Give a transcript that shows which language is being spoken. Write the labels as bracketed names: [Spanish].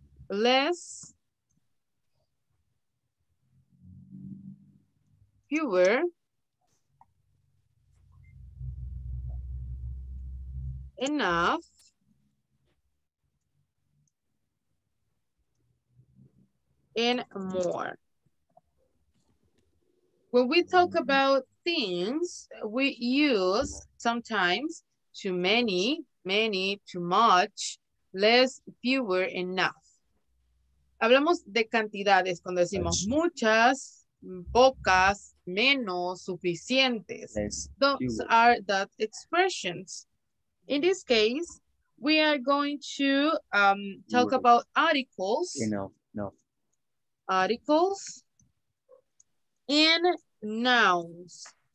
[English] Less, fewer, enough, and more. When we talk about things, we use sometimes too many, many, too much, less, fewer, enough. [Spanish] Hablamos de cantidades cuando decimos muchas, pocas, menos, suficientes. [English] Those are the expressions. In this case, we are going to talk about articles. Articles and nouns.